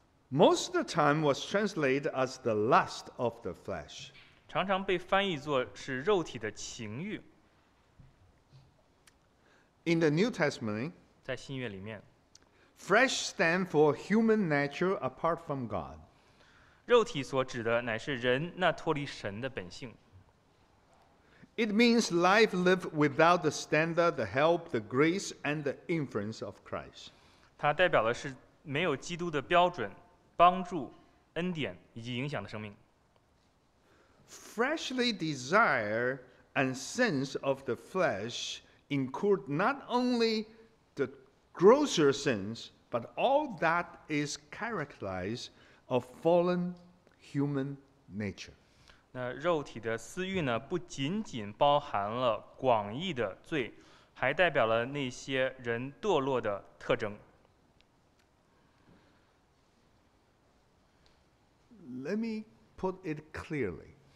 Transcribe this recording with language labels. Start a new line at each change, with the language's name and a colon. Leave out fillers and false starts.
English: Most of the time was translated as the lust of the flesh.
Chinese: 常常被翻译作是肉体的情欲。
English: In the New Testament,
Chinese: 在新约里面
English: flesh stands for human nature apart from God.
Chinese: 肉体所指的乃是人那脱离神的本性。
English: It means life lived without the standard, the help, the grace, and the influence of Christ.
Chinese: 它代表的是没有基督的标准、帮助、恩典以及影响的生命。
English: Fleshly desire and sins of the flesh include not only the grosser sins, but all that is characterized of fallen human nature.
Chinese: 那肉体的私欲呢，不仅仅包含了广义的罪，还代表了那些人堕落的特征。
English: Let me put it clearly.